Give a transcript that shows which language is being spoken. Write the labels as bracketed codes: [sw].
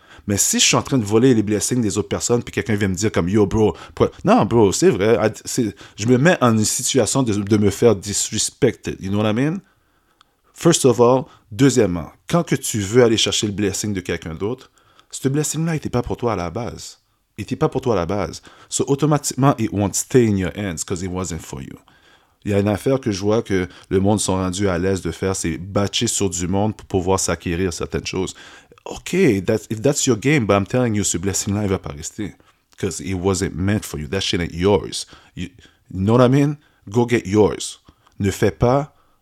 [fr] Mais si je suis en train de voler les blessings des autres personnes, puis quelqu'un vient me dire comme [en] yo bro, [fr] pour... non bro, c'est vrai, je me mets en une situation de me faire disrespected, [en] you know what I mean? First of all, [fr] deuxièmement, quand que tu veux aller chercher le blessing de quelqu'un d'autre, ce blessing-là n'était pas pour toi à la base. Il n'était pas pour toi à la base. [en] So, automatiquement, it won't stay in your hands because it wasn't for you. [fr] Il y a une affaire que je vois que le monde sont rendus à l'aise de faire, c'est batcher sur du monde pour pouvoir s'acquérir certaines choses. [en] OK, if that's your game, but I'm telling you, [fr] ce blessing-là, il ne va pas rester. [en] Because it wasn't meant for you. That shit ain't yours. You know what I mean? Go get yours. [fr] Ne fais pas...